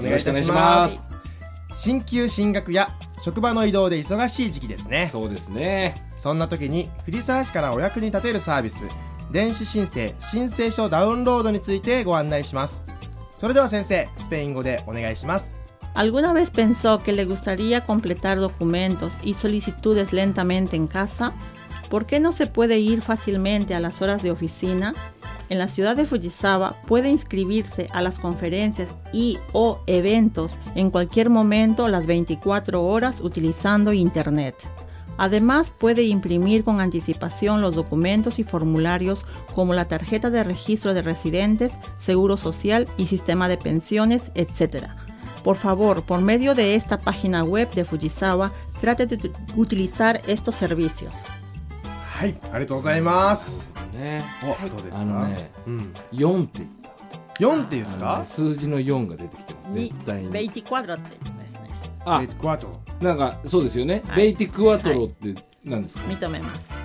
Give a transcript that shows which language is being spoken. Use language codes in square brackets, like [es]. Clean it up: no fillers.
[ja] お願いいたします。進級進学や職場の移動で忙しい時期ですね。そうですね。そんな時に藤沢市からお役に立てるサービス、電子申請申請書ダウンロードについてご案内します。それでは先生、スペイン語でお願いします。 [es] ¿Alguna vez pensó que le gustaría completar documentos y solicitudes lentamente en casa? ¿Por qué no se puede ir fácilmente a las horas de oficina? En la ciudad de Fujisawa puede inscribirse a las conferencias y o eventos en cualquier momento las 24 horas utilizando internet. Además puede imprimir con anticipación los documentos y formularios como la tarjeta de registro de residentes, seguro social y sistema de pensiones, etc. Por favor, por medio de esta página web de Fujisawa, trate de utilizar estos servicios. ¡Ay! [ja] ¡ありがとうございます！あのね、うん、4って言った 4って言った、ね、数字の4が出てきてます。絶対にベイティクワトロって言ったんですね。あ、ベイティクワトロ、なんかそうですよね、はい、ベイティクワトロって何ですか、はい、認めます